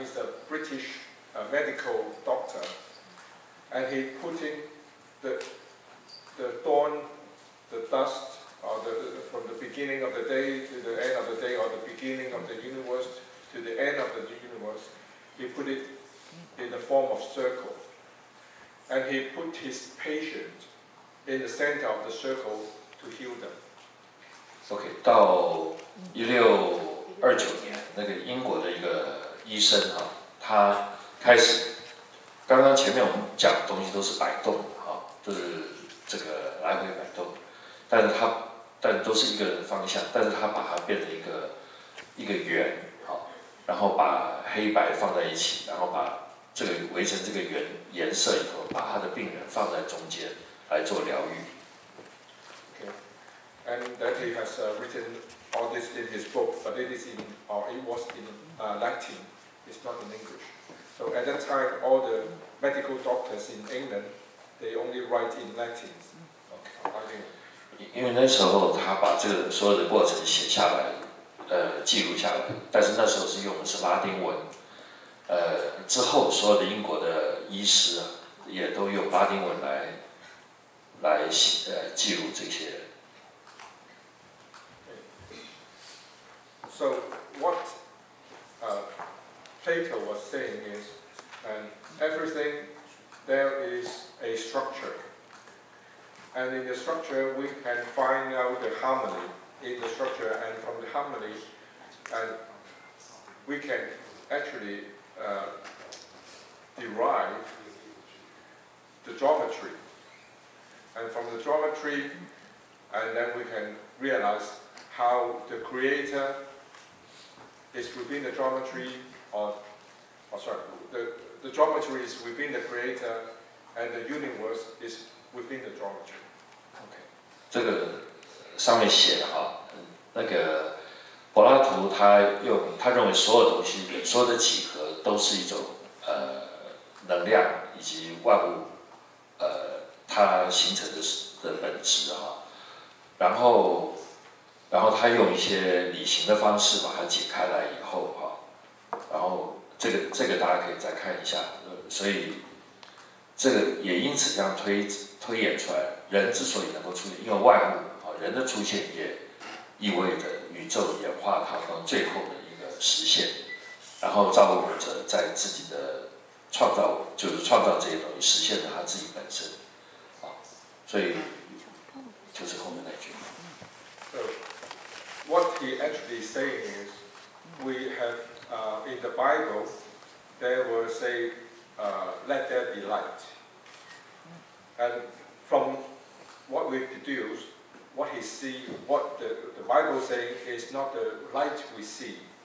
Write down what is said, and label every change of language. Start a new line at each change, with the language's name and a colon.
English: He's a British medical doctor, and he put in the dawn, the dust, or the from the beginning of the day to the end of the day, or the beginning of the universe to the end of the universe. He put it in the form of circle, and he put his patient in the center of the circle to heal them.
Chinese: Okay, 到1629年，那个英国的一个医生啊，他开始，刚刚前面我们讲的东西都是摆动啊，就是这个来回摆动，但都是一个方向，但是他把它变成一个圆啊，然后把黑白放在一起，然后把这个围成这个圆颜色以后，把他的病人放在中间来做疗愈。
English: And that he has written all this in his book, but it was in Latin, it's not in English. So at that time, all the medical doctors in England, they only write in Latin. Okay.
Chinese: 因为那时候他把这个所有的过程写下来，记录下来，但是那时候是用的是拉丁文。之后所有的英国的医师也都用拉丁文来写记录这些。
English: So what Plato was saying is, and everything there is a structure, and in the structure we can find out the harmony in the structure, and from the harmony, and we can actually derive the geometry, and from the geometry, and then we can realize how the creator. Is within the geometry of, oh sorry, the geometry is within the creator, and the universe is within the geometry. Okay.
Chinese: 这个上面写的哈，那个柏拉图他认为所有东西，所有的几何都是一种能量以及万物它形成的本质哈，然后他用一些理型的方式把它解开来以后哈，然后这个大家可以再看一下，所以这个也因此这样推演出来，人之所以能够出现，因为万物啊，人的出现也意味着宇宙演化当中最后的一个实现，然后造物者在自己的创造，就是创造这些东西，实现了他自己本身，啊，所以就是后面那句。
English: What he actually saying is, we have in the Bible, they will say, "Let there be light." And from what we deduce, what he see, what the Bible saying is not the light we see.